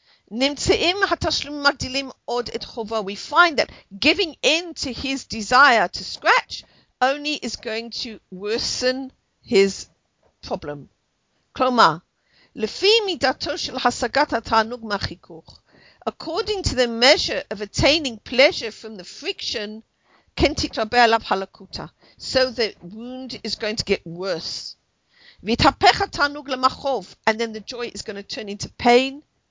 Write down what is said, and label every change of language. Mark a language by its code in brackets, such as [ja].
[he] נמצאים התשלומים מגדילים עוד את חובו. [en] We find that giving in to his desire to scratch only is going to worsen his problem. [he] כלומר, לפי מידתו של השגת התענוג מהחיכוך, [en] according to the measure of attaining pleasure from the friction, [he] kentitrabeh alav halakuta. [en] So the wound is going to get worse. [he] V'itapech ha'tanug l'machov, [en] and then the joy is going to turn into pain.